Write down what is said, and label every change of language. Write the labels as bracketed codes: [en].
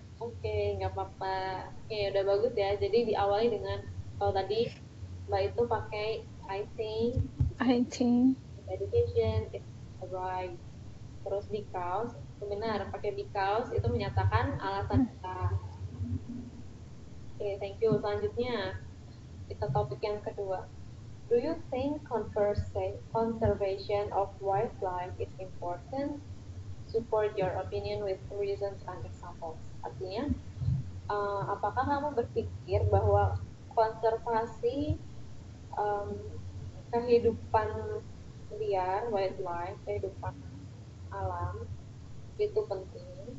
[id] Oke, nggak apa-apa. Oke, udah bagus ya. Jadi diawali dengan kalau tadi Mbak itu pakai [en] I think education is a right. [id] Terus because, benar pakai because itu menyatakan alasan kita. Oke, [en] thank you. [id] Selanjutnya kita topik yang kedua. [en] Do you think conservation of wildlife is important? Support your opinion with reasons and examples. [id] Artinya, apakah kamu berpikir bahwa konservasi kehidupan liar, wildlife, kehidupan alam itu penting?